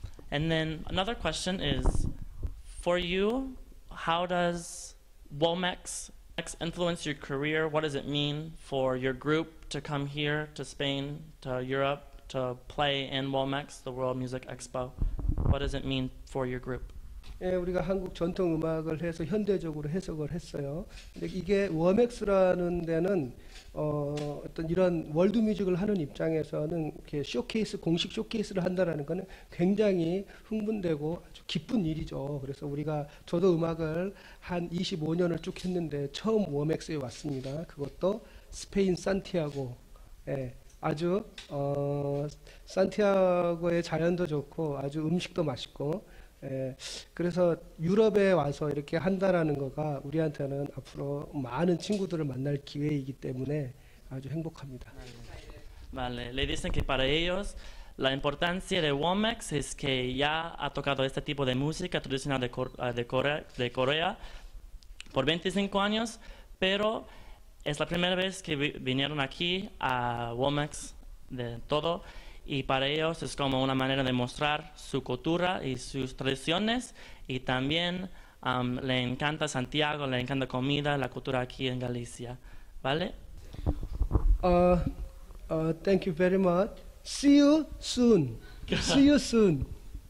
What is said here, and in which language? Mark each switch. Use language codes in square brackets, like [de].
[en] And then another question is, for you, how does WOMEX influence your career? What does it mean for your group to come here to Spain, to Europe, to play in WOMEX, the World Music Expo? What does it mean for your group? [ko] 예, 우리가 한국 전통 음악을 해서 현대적으로 해석을 했어요. 근데 이게 WOMEX라는 데는 어떤 이런 월드 뮤직을 하는 입장에서는 이렇게 쇼케이스, 공식 쇼케이스를 한다는 거는 굉장히 흥분되고 아주 기쁜 일이죠. 그래서 우리가 저도 음악을 한 25년을 쭉 했는데 처음 WOMEX에 왔습니다. 그것도 스페인 산티아고. 예. 아주 산티아고의 자연도 좋고 아주 음식도 맛있고 예, 그래서 유럽에 와서 이렇게 한다라는 거가 우리한테는 앞으로 많은 친구들을 만날 기회이기 때문에 아주 행복합니다. [es] Vale, le dicen que para ellos la importancia de WOMEX es que ya ha tocado este tipo de música tradicional de Corea por 25 años, pero es la primera vez que vinieron aquí a WOMEX de todo. Y para ellos es como una manera de mostrar su cultura y sus tradiciones y también le encanta Santiago, le encanta comida, la cultura aquí en Galicia, ¿vale? [en] Thank you very much. See you soon. See you soon.